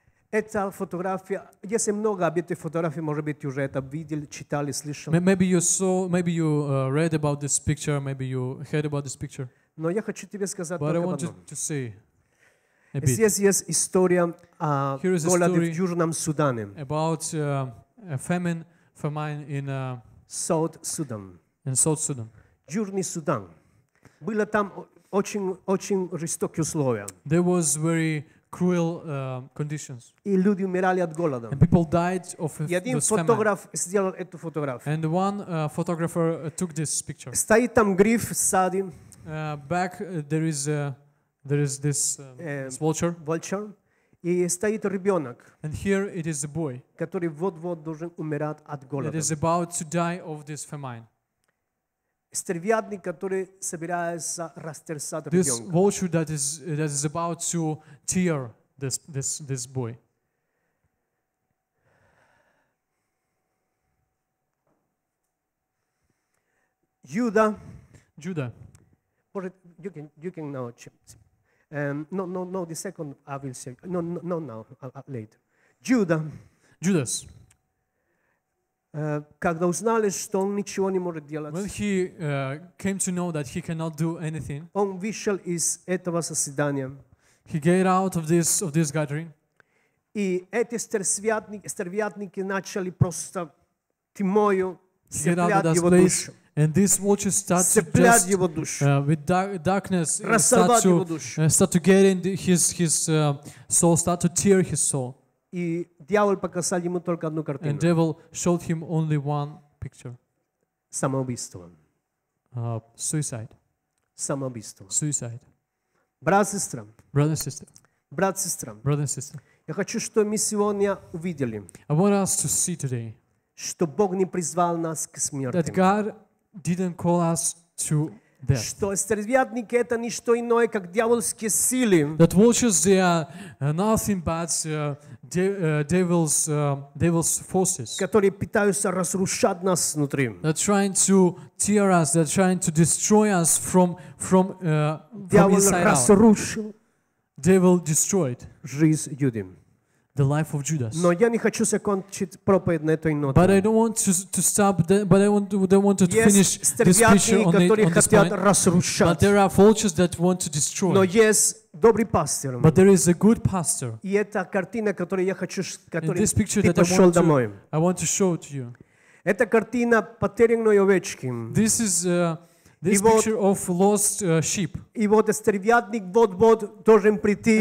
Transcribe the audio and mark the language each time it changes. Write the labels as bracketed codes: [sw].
[ru] Эта фотография, если много об этой фотографии, может быть, уже это видели, читали, слышали. [en] Maybe you read about this picture, maybe you heard about this picture. [ru] Но я хочу тебе сказать только одно. [en] But I want to say a bit. [ru] Здесь есть история о голоде в Южном Судане. [en] About a famine in South Sudan. In South Sudan. [ru] Южный Судан. Было там очень жестокие условия. [en] There was very cruel conditions. [ru] И люди умирали от голода. [en] And people died of [ru] И один фотограф сделал эту фотографию. [en] And one photographer took this picture. [ru] Стоит там гриф в саде. [en] Back there is this vulture. [ru] Vulture. И стоит ребенок. [en] And here it is a boy. [ru] Который вот-вот должен умирать от голода. [en] It is about to die of this famine. [ru] Стервятник, который собирается растерзать ребенка. [en] This vulture that is about to tear this boy. Judah. You can now check. No, the second I will say. No, later. Judas. [ru] Когда узнали, что он ничего не может делать, [en] when he came to know that he cannot do anything, [ru] он вышел из этого заседания. [en] He got out of this gathering. [ru] И эти стервятники начали просто тьмою цеплять его душу. [en] And this watch starts to just, with darkness start to get in his soul, start to tear his soul. [ru] И дьявол показал ему только одну картину. [en] And devil showed him only one picture. [ru] Самоубийство. [en] Suicide. [ru] Самоубийство. [en] Suicide. [ru] Брат и сестра. Я хочу, чтобы мы сегодня увидели. [en] I want us to see today. [ru] Что Бог не призвал нас к смерти. [en] That God didn't call us to death. [ru] Что стервятники это не что иное, как дьявольские силы. [en] That vultures they are nothing but devil's forces. [ru] Которые пытаются разрушать нас внутри. [en] They're trying to tear us. They're trying to destroy us from inside [ru] разрушил. [en] Devil destroyed. [ru] Жизнь людям. [en] The life of Judas. [ru] Но я не хочу закончить проповедь на этой ноте. [en] But I don't want to stop. But I don't want to finish this picture on this point. But there are vultures that want to destroy. [ru] Но есть добрый пастор. [en] But there is a good pastor. [ru] И эта картина, которую я хочу, которую [en] I want to show to you. [ru] Это картина потерянной овечки. [en] This is this picture of lost sheep. [ru] И вот стервятник вот-вот должен прийти.